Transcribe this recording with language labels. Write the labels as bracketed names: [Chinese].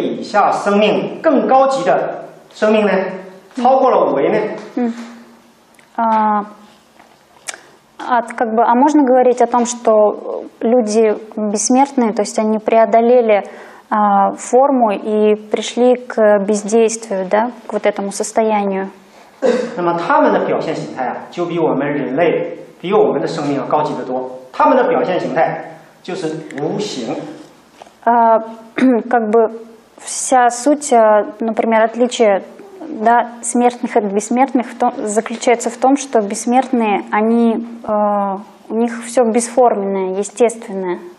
[Chinese] 那么比我们这个五维以下生命更高级的生命呢? 超过了五维呢? [Russian] Можно говорить о том, что люди бессмертные, то есть они преодолели форму и пришли к бездействию, да, к вот этому состоянию. [Chinese] 那么他们的表现形态啊，就比我们人类，比我们的生命要高级得多。他们的表现形态就是无形。 [Russian] Как бы вся суть, например, отличие, да, смертных от бессмертных заключается в том, что бессмертные, они, у них все бесформенное, естественное.